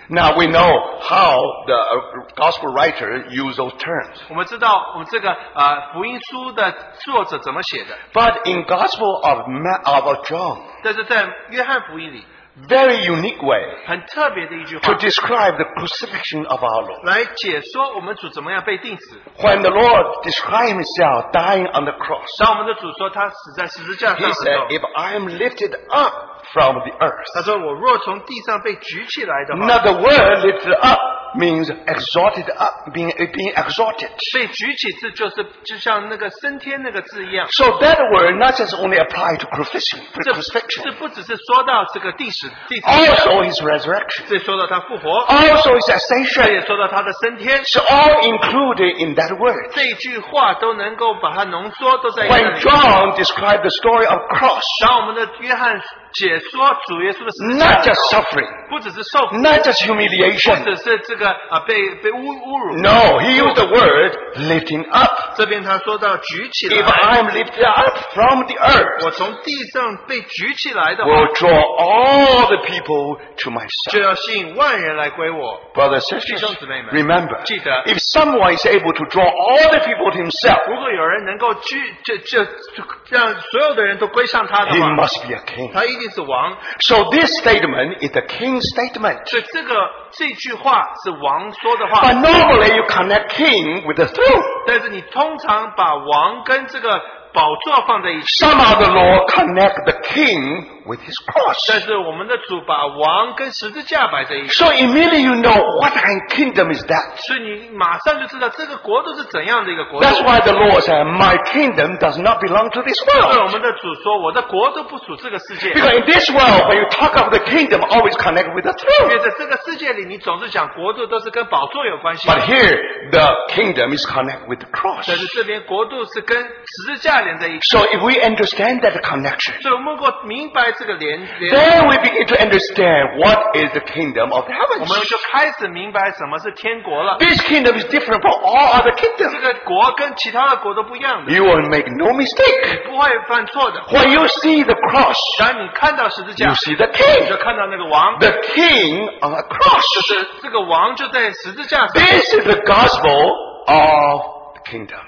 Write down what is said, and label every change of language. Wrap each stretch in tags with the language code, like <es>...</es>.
<en>now we know how the gospel writer used those terms.</en> <zh>我们知道我们这个, 福音书的作者怎么写的,</zh> <en>but in the gospel of John,</en> <zh>但是在约翰福音里,</zh> <en>very unique way to describe the crucifixion of our Lord. When the Lord described himself dying on the cross, he said, if I am lifted up from the earth, another word lifted up means exalted up, being exalted.</en> <zh>所以举起字就是就像那个升天那个字一样。</zh> <en>So that word not just only apply to crucifixion.</en> <zh>这不只是说到这个地死地死。</zh> <en>Also his resurrection.</en> <zh>这说到他复活。</zh> <en>Also his ascension.</en> <zh>这也说到他的升天。</zh> <en>So all included in that word.</en> <zh>这句话都能够把它浓缩都在。</zh> <en>When John described the story of cross.</en> <zh>当我们的约翰。</zh> <en>Not just suffering,</en> <zh>不只是受苦,</zh> <en>not just humiliation,</en> <zh>不只是这个, 被侮辱,</zh> <en>no, he used the word lifting up.</en> <zh>这边他说到举起来,</zh> <en>if I am lifted up from the earth,</en> <zh>我从地上被举起来的话,</zh> <en>will draw all the people to myself.</en> <zh>就要吸引万人来归我,</zh> <en>brothers and sisters,</en> <zh>弟兄姊妹们,</zh> <en>remember,</en> <zh>记得,</zh> <en>if someone is able to draw all the people to himself,</en> <zh>如果有人能够举, 就让所有的人都归向他的话,</zh> <en>he must be a king.</en> <zh>他一定是王,</zh> <en>so this statement is the king's statement.</en> <zh>这句话是王说的话,</zh> <en>but normally you connect king with the throne.</en> <zh>但是你通常把王跟这个宝座放在一起,</zh> <en>somehow the Lord connect the king with his cross.</en> <zh>但是我们的主把王跟十字架摆在一起,</zh> <en>so immediately you know what kind of kingdom is that.</en> <zh>所以你马上就知道这个国都是怎样的一个国度。</zh> <en>That's why the Lord said, my kingdom does not belong to this world.</en> <zh>所以我们的主说, 我的国都不属这个世界。</zh> <en>Because in this world, when you talk of the kingdom, always connect with the throne.</en> <zh>因为在这个世界里你总是讲国度都是跟宝座有关系。</zh> <en>But here, the kingdom is connect with the cross.</en> <zh>但是这边国度是跟十字架连在一起。</zh> <en>So if we understand that connection,</en> <zh>所以我们如果明白</zh> <en>Then we begin to understand what is the kingdom of heaven.</en> <zh>我们就开始明白什么是天国了。</zh> <en>This kingdom is different from all other kingdoms.</en> <zh>这个国跟其他的国都不一样的。</zh> <en>You will make no mistake.</en> <zh>你不会犯错的。</zh> <en>When you see the cross,</en> <zh>当你看到十字架,</zh> <en>you see the king.</en> <zh>你就看到那个王,</zh> <en>the king on a cross.</en> <zh>就是这个王就在十字架上。</zh> <en>This is the gospel of kingdom.</en>